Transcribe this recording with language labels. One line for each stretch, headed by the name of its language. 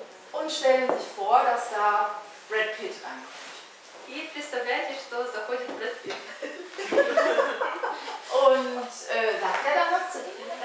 German: Und stellen sich vor, dass da Brad Pitt ankommt.
Russian: И представляете, что заходит Брэд Питт.
German: Und sagt er dann was zu ihm?